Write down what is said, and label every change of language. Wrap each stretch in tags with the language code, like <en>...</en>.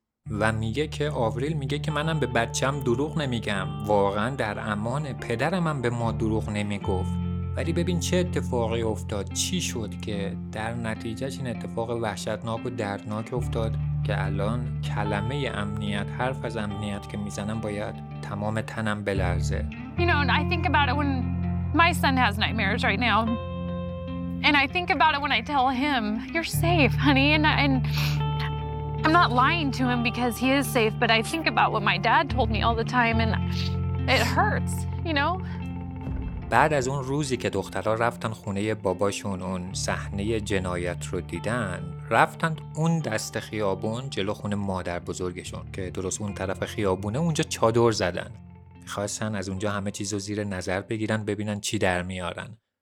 <fa>و میگه که آوریل میگه که منم به بچه‌م دروغ نمیگم، واقعاً در امان، پدرم هم به ما دروغ نمیگفت. ولی ببین چه اتفاقی افتاد، چی شد که در نتیجهش این اتفاق وحشتناک و دردناک افتاد که الان کلمه امنیت، حرف از امنیت که میزنم باید تمام تنم بلرزه.</fa> <en>You know, and I think about it when my son has nightmares right now. And I think about it when I tell him, you're safe, honey. And I'm not lying to him because he is safe, but I think about what my dad told me all the time and it hurts, you know?</en> <fa>بعد از اون روزی که دخترها رفتن خونه باباشون اون صحنه جنایت رو دیدن، رفتن اون دست خیابون جلو خونه مادر بزرگشون که درست اون طرف خیابونه، اونجا چادر زدن. میخواستن از اونجا همه چیز رو زیر نظر بگیرن ببینن چی در میارن.</fa>